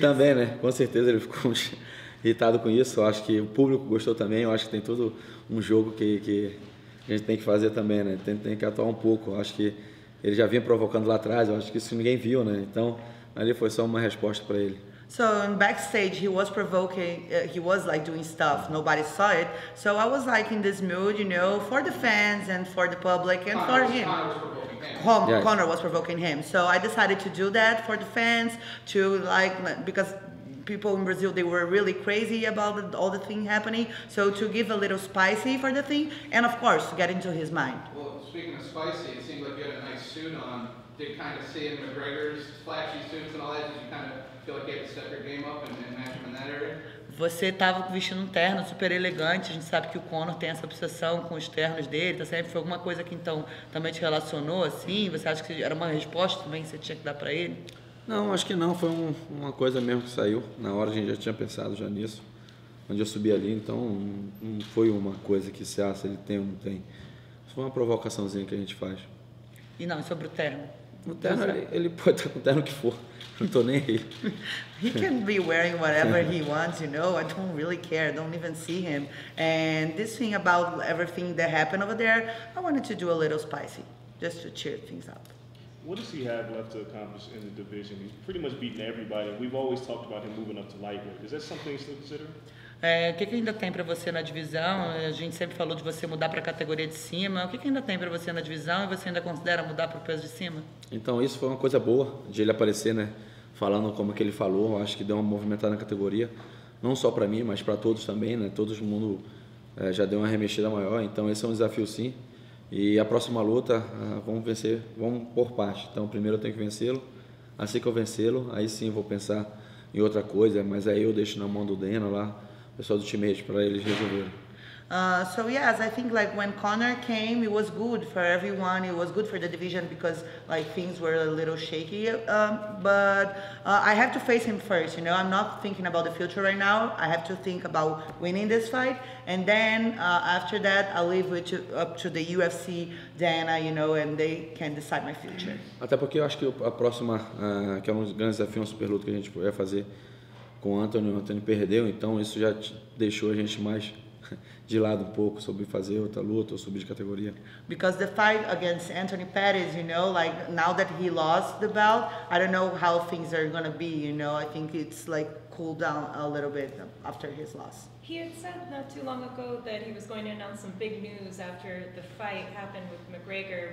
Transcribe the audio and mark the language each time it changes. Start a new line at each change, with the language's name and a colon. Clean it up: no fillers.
Portuguese: Também, né? Com certeza ele ficou irritado com isso. Eu acho que o público gostou também. Eu acho que tem todo um jogo que a gente tem que fazer também, né? Tem que atuar um pouco. Eu acho que ele já vinha provocando lá atrás. Eu acho que isso ninguém viu, né? Então, ali foi só uma resposta para ele.
English: So in backstage he was provoking, he was like doing stuff, nobody saw it. So I was like in this mood, you know, for the fans and for the public and for him. Conor was provoking him. So I decided to do that for the fans, to like, because people in Brazil, they were really crazy about all the thing happening. So to give a little spicy for the thing, and of course, get into his mind. Well, speaking of spicy, it seemed like you had a nice suit on. Did kind of see in McGregor's flashy suits and all that, did you kind of feel like you had to step your game up and match him in that area?
Portuguese: Você estava vestindo um terno super elegante, a gente sabe que o Conor tem essa obsessão com os ternos dele, tá sempre, foi alguma coisa que então também te relacionou assim, você acha que era uma resposta também que você tinha que dar para ele? Não, acho que não, foi uma coisa mesmo que saiu, na hora a gente já tinha pensado já nisso, onde eu subi ali, então não foi uma coisa que se acha, ele tem ou não tem, foi uma provocaçãozinha que a gente faz. E não, e sobre o terno? O terno, ele pode estar com o terno que for. Não tô nem aí.
English: He can be wearing whatever he wants, you know. I don't really care. I don't even see him. And this thing about everything that happened over there, I wanted to do a little spicy, just to cheer things up. What does he have left to accomplish in the division? He's pretty much beaten everybody. We've always talked about him moving up to lightweight. Is that something to consider?
Portuguese: O que ainda tem para você na divisão? A gente sempre falou de você mudar para a categoria de cima. O que ainda tem para você na divisão e você ainda considera mudar para o peso de cima? Então, isso foi uma coisa boa de ele aparecer, né? Falando como que ele falou. Eu acho que deu uma movimentada na categoria. Não só para mim, mas para todos também, né? Todo mundo já deu uma remexida maior. Então, esse é um desafio, sim. E a próxima luta, vamos vencer, vamos por parte. Então, primeiro eu tenho que vencê-lo. Assim que eu vencê-lo, aí sim eu vou pensar em outra coisa. Mas aí eu deixo na mão do Deno lá. Pessoal do teammate, para eles resolverem.
English: So yes, I think like when Conor came, it was good for everyone. It was good for the division because like things were a little shaky. But I have to face him first. You know, I'm not thinking about the future right now. I have to think about winning this fight, and then after that, I leave it up to the UFC, Dana, you know, and they can decide my future.
Portuguese: Até porque eu acho que a próxima, que é um grande desafio, um super luto que a gente vai fazer. Com o Anthony perdeu, então isso já deixou a gente mais de lado um pouco sobre fazer outra luta ou subir de categoria.
English: Because the fight against Anthony Pettis, you know, like now that he lost the belt, I don't know how things are gonna be, you know. I think it's like cooled down a little bit after his loss. He had said not too long ago that he was going to announce some big news after the fight happened with McGregor.